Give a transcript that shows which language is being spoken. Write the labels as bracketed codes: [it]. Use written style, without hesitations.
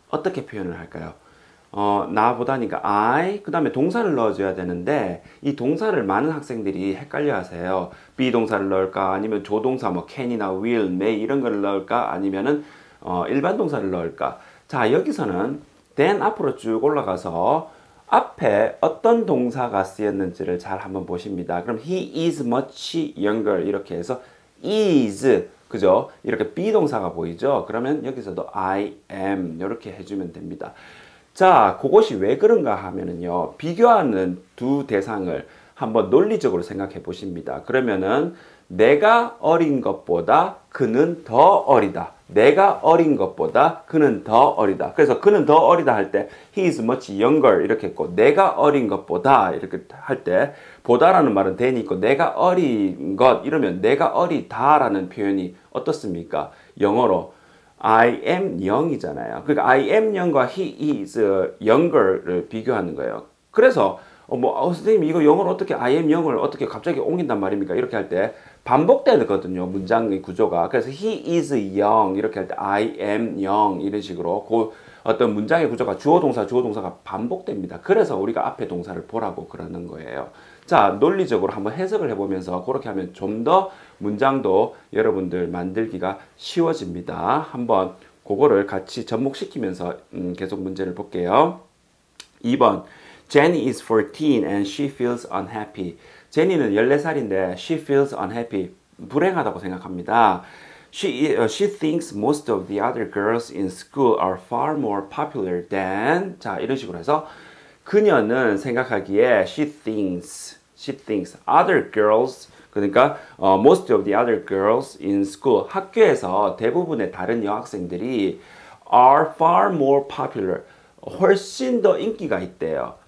[ko] 어떻게 표현을 할까요? 나보다니까 I. 그 다음에 동사를 넣어줘야 되는데, 이 동사를 많은 학생들이 헷갈려 하세요. be 동사를 넣을까? 아니면 조동사 뭐 can이나 will, may 이런 걸 넣을까? 아니면은 일반 동사를 넣을까? 자, 여기서는 then 앞으로 쭉 올라가서 앞에 어떤 동사가 쓰였는지를 잘 한번 보십니다. 그럼 [en] he is much younger [ko] 이렇게 해서 [en] is [ko] 그죠? 이렇게 be 동사가 보이죠? 그러면 여기서도 I am 이렇게 해주면 됩니다. 자, 그것이 왜 그런가 하면은요, 비교하는 두 대상을 한번 논리적으로 생각해 보십니다. 그러면은 내가 어린 것보다 그는 더 어리다. 내가 어린 것보다 그는 더 어리다. 그래서 그는 더 어리다 할 때, [en] he is much younger [ko] 이렇게 했고, 내가 어린 것보다 이렇게 할 때, 보다라는 말은 then이 있고, 내가 어린 것, 이러면 내가 어리다라는 표현이 어떻습니까? 영어로 [en] I am young [ko] 이잖아요. 그러니까 I am young과 [en] he is younger [ko] 를 비교하는 거예요. 그래서, 선생님, 이거 영어로 어떻게 I am young을 어떻게 갑자기 옮긴단 말입니까? 이렇게 할 때, 반복되거든요, 문장의 구조가. 그래서 [en] he is young [ko] 이렇게 할때 [en] I am young [ko] 이런 식으로 그 어떤 문장의 구조가 주어 동사가 반복됩니다. 그래서 우리가 앞에 동사를 보라고 그러는 거예요. 자, 논리적으로 한번 해석을 해보면서 그렇게 하면 좀더 문장도 여러분들 만들기가 쉬워집니다. 한번 그거를 같이 접목시키면서 계속 문제를 볼게요. [en] 2번, Jenny is 14 and she feels unhappy. [ko] 제니는 14살인데 [en] she feels unhappy. [ko] 불행하다고 생각합니다. [en] She thinks most of the other girls in school are far more popular than. [ko] 자, 이런 식으로 해서 그녀는 생각하기에 [en] she thinks other girls, [ko] 그러니까 [en] most of the other girls in school, [ko] 학교에서 대부분의 다른 여학생들이 [en] are far more popular, [ko] 훨씬 더 인기가 있대요.